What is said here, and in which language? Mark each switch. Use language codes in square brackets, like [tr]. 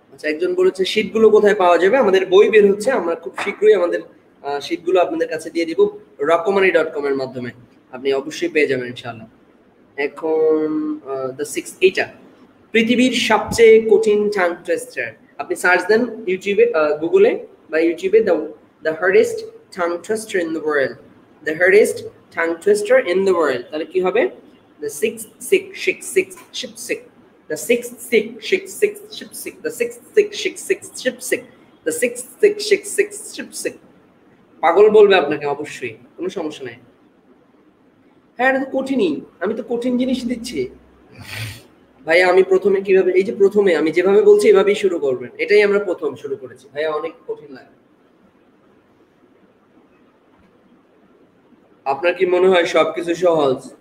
[bn] একজন বলেছে শীতগুলো কোথায় পাওয়া যাবে, আমাদের বই বের হচ্ছে, আমরা খুব শীঘ্রই আমাদের শীতগুলো আপনাদের কাছে দিয়ে দিব, রকমানি ডট কম এর মাধ্যমে আপনি অবশ্যই পেয়ে যাবেন ইনশাআল্লাহ। এখন দ্য সিক্স, এইটা পৃথিবীর সবচেয়ে কঠিন টাং টুইস্টার, আপনি সার্চ দেন ইউটিউবে গুগলে, [en] by YouTube the hardest tongue twister in the world. The hardest tongue twister in the world. The sixth sick sick sick sick ship sick. The sixth sick sick sick ship sick. The sixth sick sick sick ship sick. The sixth sick sick sick ship sick. [bn] পাগল বলবে আপনাকে অবশ্যই, কোনো সমস্যা নাই। হ্যাঁ এটা তো কঠিনই, আমি তো কঠিন জিনিস দিচ্ছি ভাইয়া। আমি প্রথমে কিভাবে, এই যে প্রথমে আমি যেভাবে বলছি এভাবেই শুরু করবেন, এটাই আমরা প্রথম শুরু করেছি ভাইয়া। অনেক কঠিন লাগে আপনার কি মনে হয় সবকিছু সহজ?